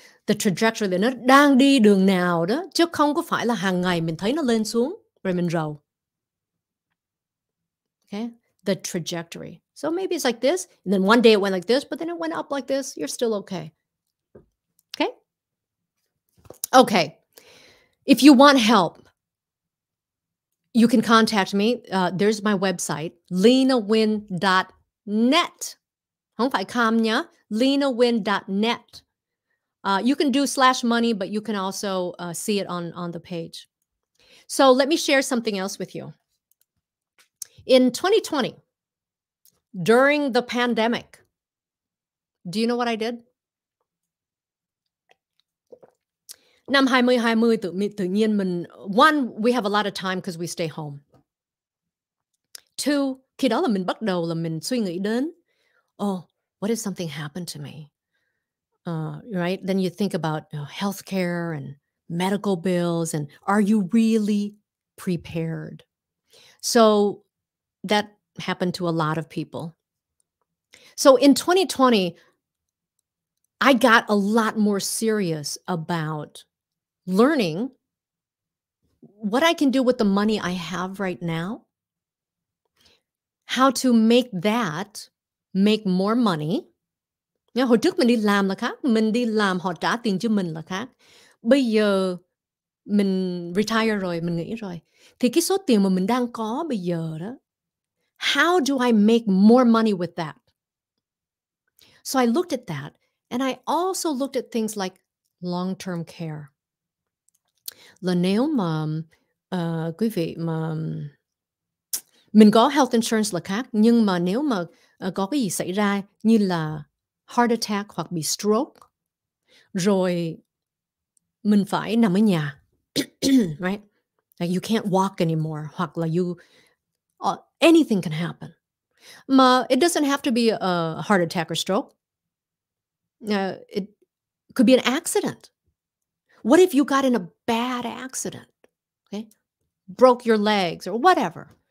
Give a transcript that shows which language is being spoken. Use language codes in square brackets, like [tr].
[en] The trajectory, [vi] nó đang đi đường nào đó. Chứ không có phải là hàng ngày mình thấy nó lên xuống, rồi mình rầu. [en] Okay? The trajectory. So maybe it's like this, and then one day it went like this, but then it went up like this. You're still okay. Okay? Okay. If you want help, you can contact me. There's my website, leynanguyen.net. [vi] Không phải com nha. [en] leynanguyen.net. You can do /money, but you can also see it on the page. So let me share something else with you. In 2020, during the pandemic, do you know what I did? [vi] Năm 2020, tự nhiên mình, [en] one, we have a lot of time because we stay home. Two, [vi] khi đó là mình bắt đầu là mình suy nghĩ đến, [en] oh, what if something happened to me? Right? Then you think about healthcare and medical bills, and are you really prepared? So that happened to a lot of people. So in 2020, I got a lot more serious about learning what I can do with the money I have right now, how to make that make more money. [vi] Yeah, hồi trước mình đi làm là khác, mình đi làm họ trả tiền cho mình là khác. Bây giờ mình retire rồi, mình nghỉ rồi, thì cái số tiền mà mình đang có bây giờ đó, [en] how do I make more money with that? So I looked at that, and I also looked at things like long-term care. [vi] Là nếu mà quý vị mà mình có health insurance là khác, nhưng mà nếu mà có cái gì xảy ra như là heart attack hoặc bị stroke, rồi mình phải nằm ở nhà, [en] right? Like you can't walk anymore, [vi] hoặc là [en] you, anything can happen. [vi] Mà [en] it doesn't have to be a heart attack or stroke. It could be an accident. What if you got in a bad accident? Okay, broke your legs or whatever.